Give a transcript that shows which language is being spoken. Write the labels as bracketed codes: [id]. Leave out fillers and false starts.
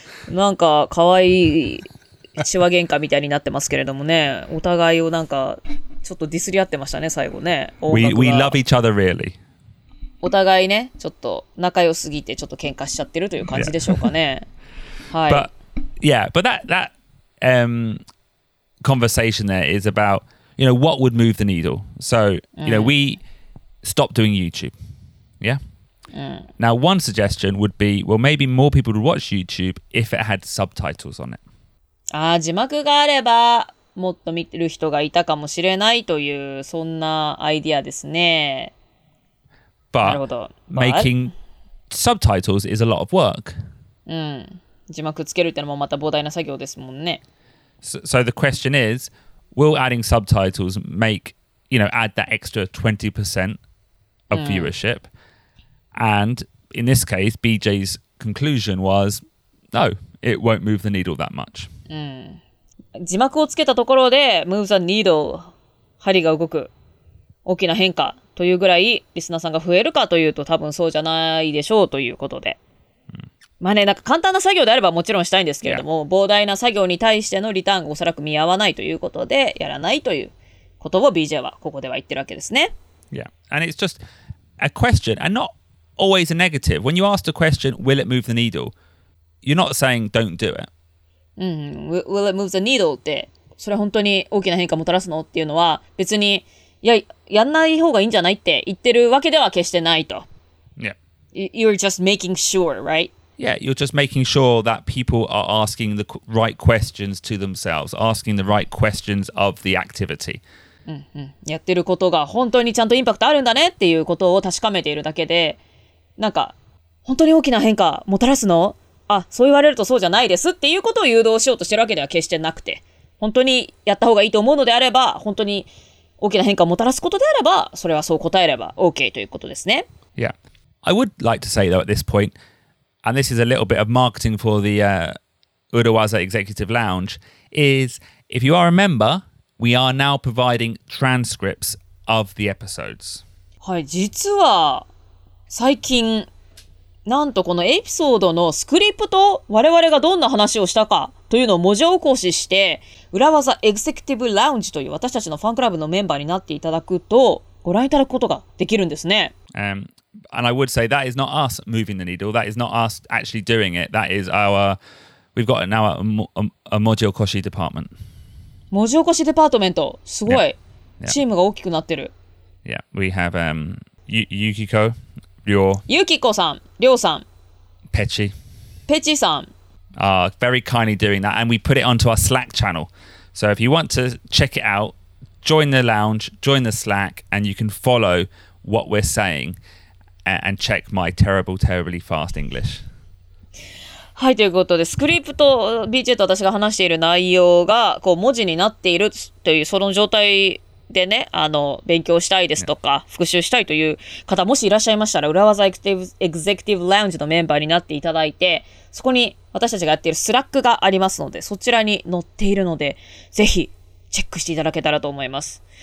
[ja] なんか可愛い手話喧嘩みたいになってますけれどもね。お互いをなんかちょっとディスり合ってましたね、最後ね。 [en] We love each other really. [ja] お互いね、ちょっと仲良すぎてちょっと喧嘩しちゃってるという感じでしょうかね。はい。 [en] But, yeah, but that conversation there is about, you know, what would move the needle. So, you know, we stopped doing YouTube. Yeah. Now, one suggestion would be, well, maybe more people would watch YouTube if it had subtitles on it. [ja] Ah, 字幕があればもっと見てる人がいたかもしれないというそんなアイディアですね。 [en] But making subtitles is a lot of work. [ja] 字幕つけるってのもまた膨大な作業ですもんね。 [en] So the question is, will adding subtitles make, you know, add that extra 20% of viewership? And in this case, BJ's conclusion was, no, it won't move the needle that much. [ja] 字幕をつけたところで、 [en] moves the needle, [ja] 針が動く、大きな変化というぐらいリスナーさんが増えるかというと多分そうじゃないでしょうということで。まあね、なんか簡単な作業であればもちろんしたいんですけれども、膨大な作業に対してのリターンがおそらく見合わないということで、やらないということを BJ はここでは言ってるわけですね。 [en] Yeah, and it's just a question and notalways a negative. When you ask a question, will it move the needle? You're not saying don't do it. Will it move the needle? [ja] って、それ本当に大きな変化もたらすのっていうのは、別に、いや、やんない方がいいんじゃないって言ってるわけでは決してないと。 [en] Yeah. You're just making sure, right? Yeah, you're just making sure that people are asking the right questions to themselves, asking the right questions of the activity. [ja] やってることが本当にちゃんとインパクトあるんだねっていうことを確かめているだけで、なんか本当に大きな変化もたらすの？あ、そう言われるとそうじゃないですっていうことを誘導しようとしてるわけでは決してなくて、本当にやった方がいいと思うのであれば、本当に大きな変化をもたらすことであれば、それはそう答えれば OK ということですね。 [en] Yeah. I would like to say though at this point, and this is a little bit of marketing for the Urawaza Executive Lounge, is if you are a member,We are now providing transcripts of the episodes. [ja] はい、実は最近なんとこのエピソードのスクリプト、我々がどんな話をしたかというのを文字起こしして、裏技エグゼクティブラウンジという私たちのファンクラブのメンバーになっていただくとご覧いただくことができるんですね。 [en] And I would say that is not us moving the needle. That is not us actually doing it. That is our we've got now a [ja] 文字起こし [en] department. [ja] 文字起こしデパートメント、すごい。チームが大きくなってる。 [en] Yeah, we have Yukiko, Ryo. [ja] Yukiko さん、Ryo さん。 Pechi. Pechi さん。 [en] Very kindly doing that, and we put it onto our Slack channel. So if you want to check it out, join the lounge, join the Slack, and you can follow what we're saying, and check my terrible, terribly fast English. [ja] はい、ということで、スクリプト、BJ と私が話している内容が、こう、文字になっているという、その状態でね、勉強したいですとか、復習したいという方、もしいらっしゃいましたら、裏技エグゼクティブラウンジのメンバーになっていただいて、そこに私たちがやっているスラックがありますので、そちらに載っているので、ぜひ、チェックしていただけたらと思います。